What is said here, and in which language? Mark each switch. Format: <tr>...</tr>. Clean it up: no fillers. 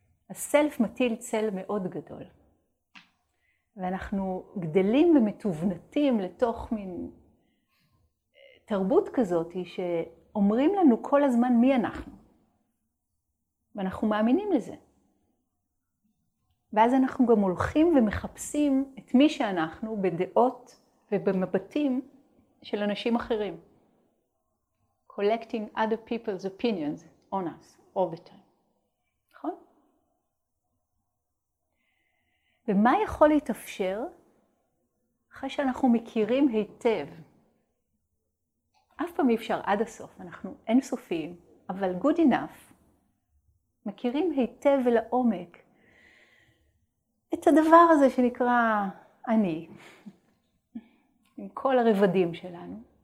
<he>הסלף מטיל צל מאוד גדול. ואנחנו גדלים ומתובנתים לתוך מין תרבות כזאת שאומרים לנו כל הזמן מי אנחנו. ואנחנו מאמינים לזה. ואז אנחנו גם הולכים ומחפשים את מי שאנחנו בדעות ובמבטים של אנשים אחרים.</he> <en>Collecting other people's opinions on us all the time.</en> <he>ומה יכול להתאפשר אחרי שאנחנו מכירים היטב? אף פעם אי אפשר עד הסוף, אנחנו אינסופיים, אבל</he> <en>good enough,</en> <he>מכירים היטב ולעומק את הדבר הזה שנקרא אני, עם כל הרבדים שלנו.</he>